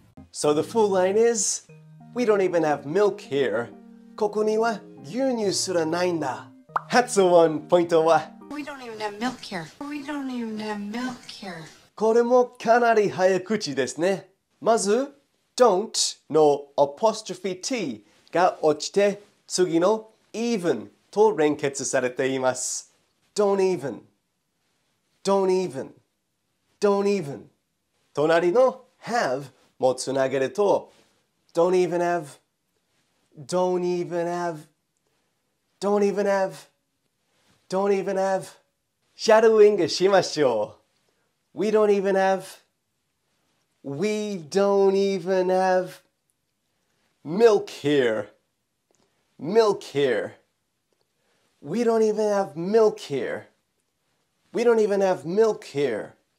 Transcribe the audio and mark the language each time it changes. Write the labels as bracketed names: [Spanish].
[English] So the full line is, we don't even have milk here. [Japanese] ここには牛乳すらないんだ。発音ポイントは、 [English] We don't even have milk here. [Japanese] これもかなり早口ですね。まず、don't の apostrophe t が落ちて、次の even と連結されています。 [English] don't even, don't even, don't even。 [Japanese] 隣の have もつなげると、 [English] don't even have, don't even have, don't even have, don't even have。 [Japanese] シャドウイングしましょう。 [English] We don't even have, we don't even have milk here, milk here. We don't even have milk here, we don't even have milk here.